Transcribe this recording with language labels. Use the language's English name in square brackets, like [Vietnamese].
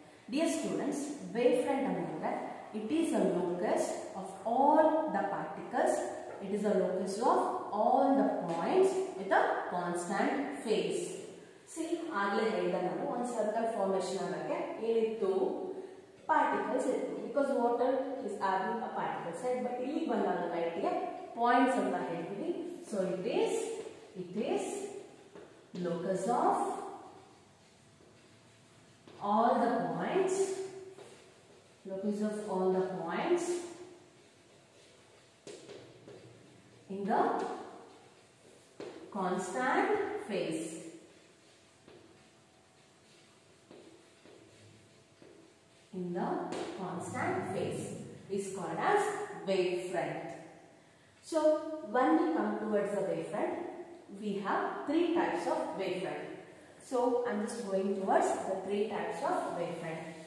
[English] Dear students, wave front [Kannada] anna, [English] it is a locus of all the particles. It is a locus of all the points with a constant phase. [Kannada] C ಆಗ್ಲೇ ಹೇಳಿದ ನಾನು, ಒಂದು circle formation ಆಗಕ್ಕೆ ಏನಿತ್ತು? Particles ಇತ್ತು. [English] Because water is aging a particle side. But [Kannada] ಇಲ್ಲಿ ಬಂದಾಗ ಲೈಟ್ಗೆ points ಅಂತ ಹೇಳ್ತೀವಿ. [English] So it is locus of all the points, locus of all the points in the constant phase. In the constant phase is called as wave front. So when we come towards the wave front, we have three types of wave front. So I'm just going towards the three types of wave front.